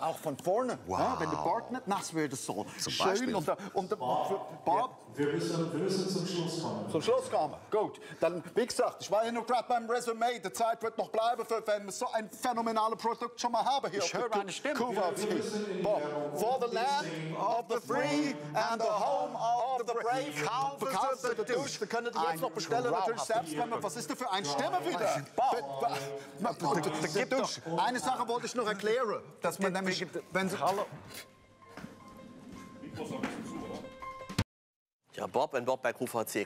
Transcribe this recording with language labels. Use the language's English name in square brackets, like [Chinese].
[German] Auch von vorne. Wow. Ja, wenn der Bart nicht nass wird, so zum schön. Beispiel. Und Bob? Wir müssen zum Schluss kommen. zum Schluss kommen. Gut. Dann, wie gesagt, ich war hier nur gerade beim Resümee. Die Zeit wird noch bleiben, für wenn wir so ein phänomenales Produkt schon mal haben hier. Ich höre meine Stimme. QVC. [English] For the land of the free and the home of the brave. [German] Verkaufssender QVC. Verkaufssender QVC. Wir können die jetzt noch bestellen, natürlich selbst. Was ist denn für ein Stimme wieder? Verkaufssender. Eine Sache wollte ich noch erklären. Dass man nämlich, wenn Sie... Hallo. Ja, Bob und Bob bei QVC.